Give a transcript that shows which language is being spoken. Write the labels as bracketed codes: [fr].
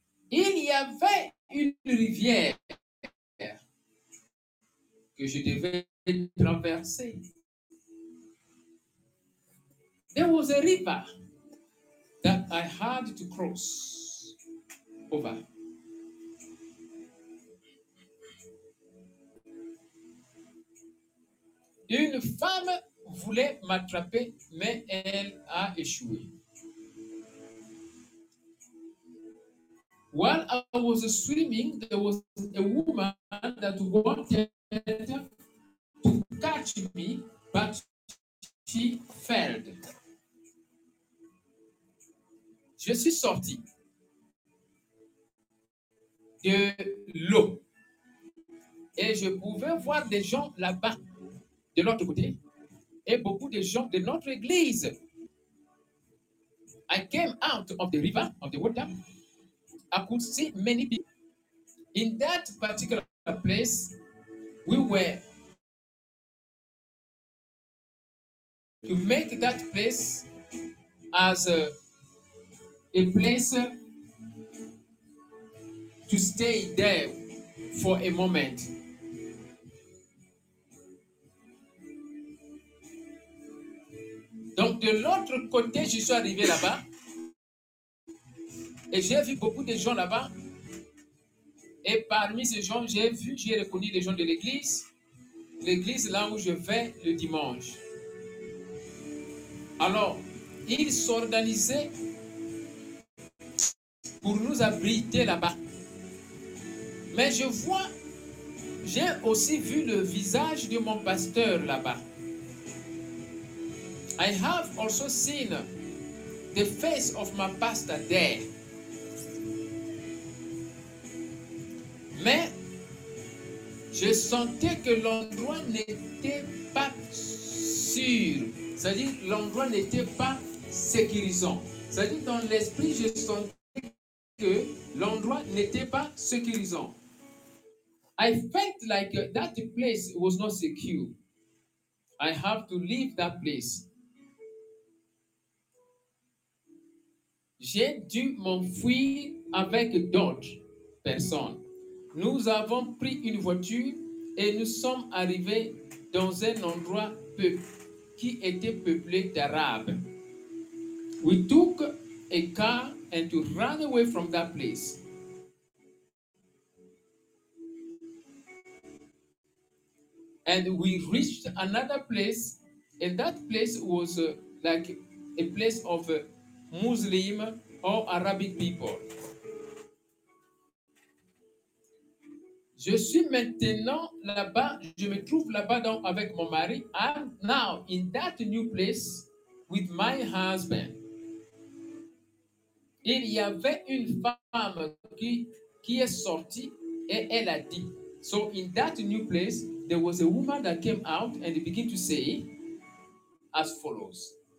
[fr] Il y avait une rivière que je devais traverser. [en] There was a river that I had to cross over. [fr] Une femme voulait m'attraper, mais elle a échoué. [en] While I was swimming, there was a woman that wanted to catch me, but she failed. [fr] Je suis sorti de l'eau et je pouvais voir des gens là-bas de l'autre côté et beaucoup de gens de notre église. [en] I came out of the river, of the water. I could see many people. In that particular place, we were to make that place as a place to stay there for a moment. [fr] Donc de l'autre côté, je suis arrivé là-bas. Et j'ai vu beaucoup de gens là-bas. Et parmi ces gens, j'ai reconnu les gens de l'église. L'église là où je vais le dimanche. Alors, ils s'organisaient pour nous abriter là-bas. Mais je vois, j'ai aussi vu le visage de mon pasteur là-bas. [en] I have also seen the face of my pastor there. [fr] Mais je sentais que l'endroit n'était pas sûr. C'est-à-dire que l'endroit n'était pas sécurisant. C'est-à-dire que dans l'esprit, je sentais que l'endroit n'était pas sécurisant. [en] I felt like that place was not secure. I have to leave that place. [fr] J'ai dû m'enfuir avec d'autres personnes. Nous avons pris une voiture et nous sommes arrivés dans un endroit qui était peuplé d'Arabes. [en] We took a car and to run away from that place. And we reached another place, and that place was like a place of Muslim or Arabic people. [fr] Je suis maintenant là-bas, je me trouve là-bas donc avec mon mari. [en] I'm now in that new place with my husband. [fr] Il y avait une femme qui est sortie et elle a dit. [en] So in that new place, there was a woman that came out and began to say as follows.